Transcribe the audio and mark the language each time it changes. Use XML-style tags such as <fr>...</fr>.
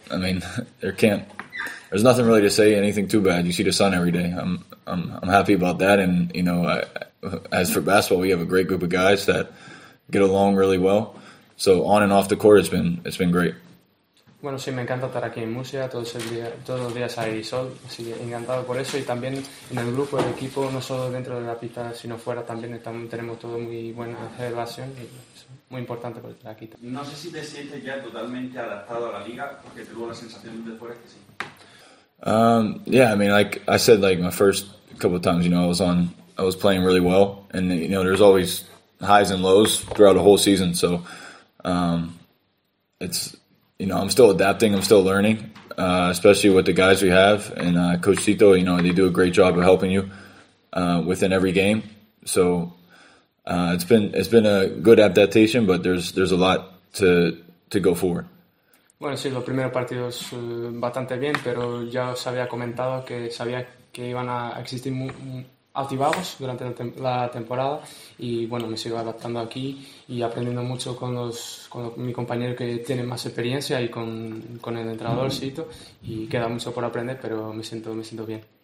<en>I mean, there's nothing really to say, anything too bad. You see the sun every day. I'm happy about that. And you know, as for basketball, we have a great group of guys that get along really well. So on and off the court, it's been great.</en> <es>Bueno, sí, me encanta estar aquí en Murcia, todos los días hay sol, así que encantado por eso. Y también en el grupo, el equipo, no solo dentro de la pista, sino fuera también, tenemos todo muy buena relación y es muy importante por estar aquí. No sé si te sientes ya totalmente adaptado a la liga, porque tuvo la sensación de fuera que sí.</es> <en>Yeah, I mean, like I said, like my first couple of times, you know, I was playing really well. And, you know, there's always highs and lows throughout the whole season. So it's... You know, I'm still adapting. I'm still learning, especially with the guys we have. And Coach Tito, you know, they do a great job of helping you within every game. So it's been a good adaptation, but there's a lot to go forward.</en> <es>Bueno, sí, los primeros partidos bastante bien, pero ya os había comentado que sabía que iban a existir altibajos durante la temporada y bueno, me sigo adaptando aquí y aprendiendo mucho con mi compañero que tiene más experiencia y con el entrenador Sito, y queda mucho por aprender, pero me siento bien.</es>